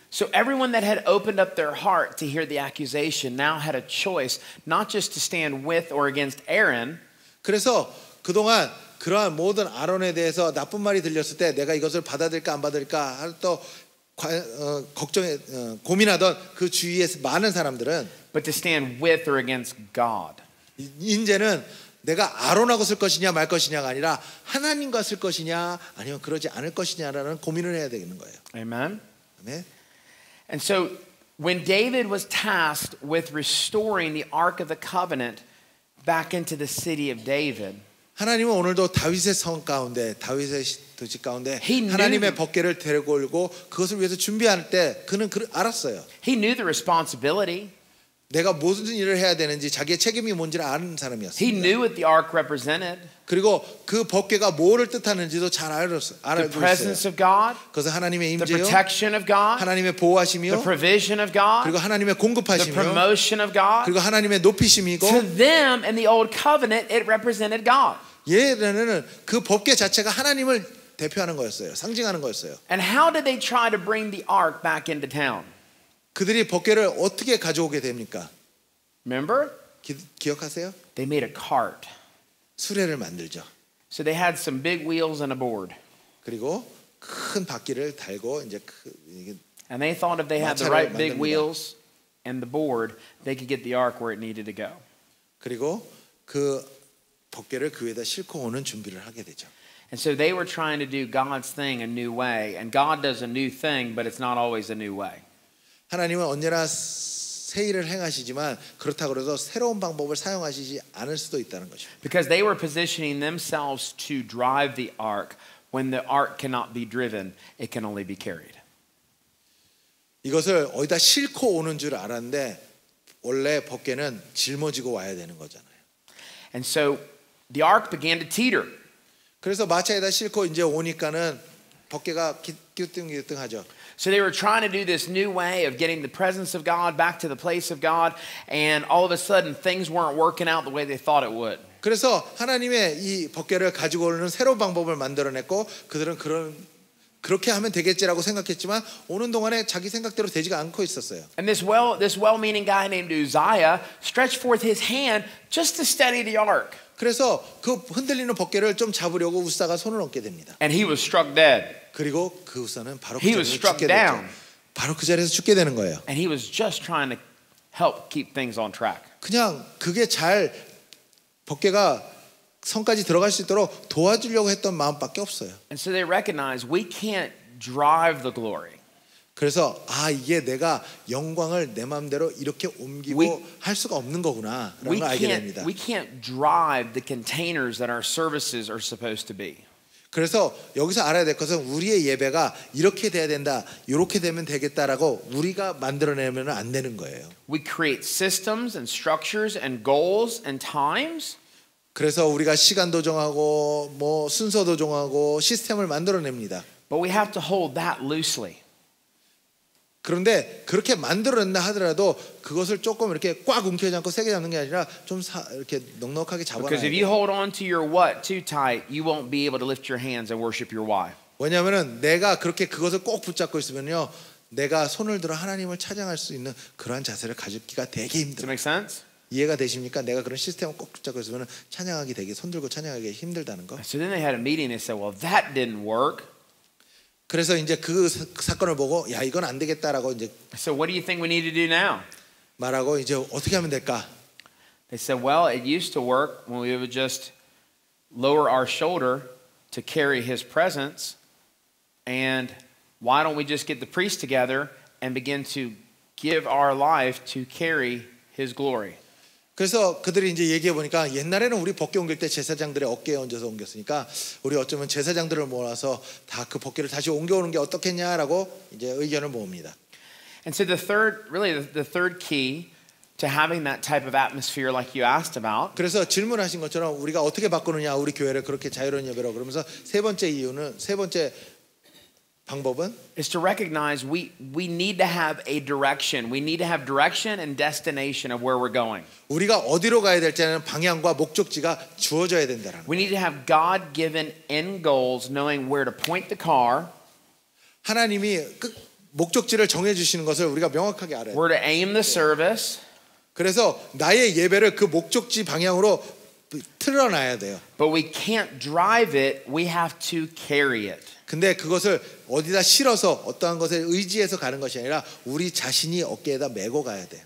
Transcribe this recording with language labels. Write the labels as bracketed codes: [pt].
[en] So everyone that had opened up their heart to hear the accusation now had a choice not just to stand with or against Aaron. [ko] 그래서 그동안 그러한 모든 아론에 대해서 나쁜 말이 들렸을 때 내가 이것을 받아들일까 안 받을까 또 걱정에 고민하던 그 주위의 많은 사람들은 [en] but to stand with or against God. [ko] 이제는 내가 아론하고 쓸 것이냐 말 것이냐가 아니라 하나님과 쓸 것이냐 아니면 그러지 않을 것이냐라는 고민을 해야 되는 거예요. [en] Amen. [ko] 아멘. [en] And so when David was tasked with restoring the Ark of the Covenant back into the city of David, [ko] 하나님은 오늘도 다윗의 성 가운데, 다윗의 도시 가운데 하나님의 법궤를 데리고 올고 그것을 위해서 준비할 때 그는 알았어요. [en] He knew the responsibility. [ko] 내가 무슨 일을 해야 되는지 자기의 책임이 뭔지를 아는 사람이었어요. [en] He knew what the ark represented. [ko] 그리고 그 법궤가 뭐를 뜻하는지도 잘 알고 있어요. [en] The presence of God. [ko] 그것은 하나님의 임재요. [en] The protection of God. [ko] 하나님의 보호하심이요. [en] The provision of God. [ko] 그리고 하나님의 공급하심이요. [en] The promotion of God. [ko] 그리고 하나님의 높이심이고. [en] To them in the old covenant, it represented God. [ko] 얘네는 그 법궤 자체가 하나님을 대표하는 거였어요. 상징하는 거였어요. [en] And how did they try to bring the ark back into town? [ko] 그들이 법궤를 어떻게 가져오게 됩니까? [en] Remember? [ko] 기억하세요? [en] They made a cart. [ko] 수레를 만들죠. [en] So they had some big wheels and a board. [ko] 그리고 큰 바퀴를 달고 이제 그 이게 [en] And they thought if they had the right big wheels and the board, they could get the ark where it needed to go. [ko] 그리고 그 법궤를 그 위에다 싣고 오는 준비를 하게 되죠. [en] And so they were trying to do God's thing a new way, and God does a new thing, but it's not always a new way. [ko] 하나님은 언제나 새 일을 행하시지만 그렇다고 해서 새로운 방법을 사용하시지 않을 수도 있다는 거죠. [en] Because they were positioning themselves to drive the ark when the ark cannot be driven, it can only be carried. [ko] 이것을 어디다 싣고 오는 줄 알았는데 원래 법궤는 짊어지고 와야 되는 거잖아요. [en] And so the ark began to teeter. [ko] 그래서 마차에다 싣고 이제 오니까는 법궤가 기뚱기뚱하죠. [en] So they were trying to do this new way of getting the presence of God back to the place of God, and all of a sudden things weren't working out the way they thought it would. [ko] 그래서 하나님의 이 법궤를 가지고 오는 새로운 방법을 만들어냈고 그들은 그렇게 하면 되겠지라고 생각했지만 오는 동안에 자기 생각대로 되지가 않고 있었어요. [en] And this well-meaning guy named Uzziah stretched forth his hand just to steady the ark. [ko] 그래서 그 흔들리는 법궤를 좀 잡으려고 우사가 손을 얹게 됩니다. [en] And he was struck dead. [ko] 그리고 그 우사는 바로 그 자리에서 죽게 되죠. 바로 그 자리에서 죽게 되는 거예요. [en] And he was just trying to help keep things on track. [ko] 그냥 그게 잘 법궤가 성까지 들어갈 수 있도록 도와주려고 했던 마음밖에 없어요. [en] And so they recognize we can't drive the glory. [ko] 그래서 아 이게 내가 영광을 내 마음대로 이렇게 옮기고 [en] we, [ko] 할 수가 없는 거구나라는 걸 알게 됩니다. [en] We can't drive the containers that our services are supposed to be. [ko] 그래서 여기서 알아야 될 것은 우리의 예배가 이렇게 돼야 된다. 이렇게 되면 되겠다라고 우리가 만들어내면 안 되는 거예요. [en] We create systems and structures and goals and times. [ko] 그래서 우리가 시간도 정하고 뭐 순서도 정하고 시스템을 만들어냅니다. [en] But we have to hold that loosely. [ko] 그런데 그렇게 만들어낸다 하더라도 그것을 조금 이렇게 꽉 움켜지 않고 세게 잡는 게 아니라 좀 이렇게 넉넉하게 잡아야 돼요. [en] Because if you hold on to your what too tight, you won't be able to lift your hands and worship your why. [ko] 왜냐하면 내가 그렇게 그것을 꼭 붙잡고 있으면요, 내가 손을 들어 하나님을 찬양할 수 있는 그러한 자세를 가지기가 되게 힘들어요. [en] Does that make sense? [ko] 이해가 되십니까? 내가 그런 시스템을 꼭 붙잡고 있으면 찬양하기 되게 손 들고 찬양하기 힘들다는 거. [en] So then they had a meeting. They said, "Well, that didn't work." [ko] 그래서 이제 그 사건을 보고 야 이건 안 되겠다라고 이제 [en] So what do you think we need to do now? [ko] 말하고 이제 어떻게 하면 될까? [en] They said, "Well, it used to work when we would just lower our shoulder to carry his presence. And why don't we just get the priest together and begin to give our life to carry his glory?" [ko] 그래서 그들이 이제 얘기해 보니까 옛날에는 우리 벗기 옮길 때 제사장들의 어깨에 얹어서 옮겼으니까 우리 어쩌면 제사장들을 모아서 다 그 벗기를 다시 옮겨오는 게 어떻겠냐라고 이제 의견을 모읍니다. [en] And so the third, really the third key to having that type of atmosphere like you asked about. [ko] 그래서 질문하신 것처럼 우리가 어떻게 바꾸느냐 우리 교회를 그렇게 자유로운 예배로 그러면서 세 번째 이유는 세 번째 방법은 [en] is to recognize we need to have a direction. We need to have direction and destination of where we're going. [ko] 우리가 어디로 가야 될지는 방향과 목적지가 주어져야 된다라는 거예요. [en] We need to have God-given end goals, knowing where to point the car. [ko] 하나님이 그 목적지를 정해 주시는 것을 우리가 명확하게 알아야 돼요. [en] Where to aim the service. [ko] 그래서 나의 예배를 그 목적지 방향으로 틀어 놔야 돼요. [en] But we can't drive it. We have to carry it. [ko] 근데 그것을 어디다 실어서 어떠한 것에 의지해서 가는 것이 아니라 우리 자신이 어깨에다 메고 가야 돼.